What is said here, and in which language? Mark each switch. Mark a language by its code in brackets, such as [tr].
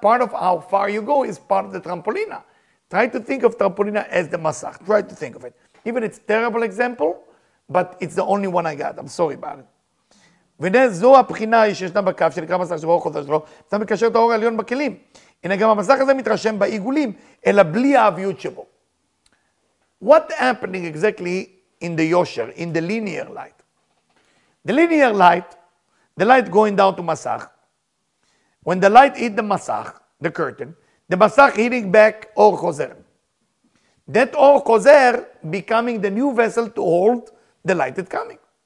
[en] Part of how far you go is part of the trampolina. Try to think of trampolina as the masach. Try to think of it. Even it's a terrible example, but it's the only one I got. I'm sorry about it. [he] וזה זו הבחינה שישנה בקו שנקרא מסך שבאור חוזר שלו, אתה מקשר את האור העליון בכלים. הנה גם המסך הזה מתרשם בעיגולים, אלא בלי האביות שבו. [en] What happening exactly in the yosher, in the linear light? The linear light, the light going down to masach, When the light hit the masach, the curtain, the masach hitting back or chozer. That or chozer becoming the new vessel to hold the light that's coming.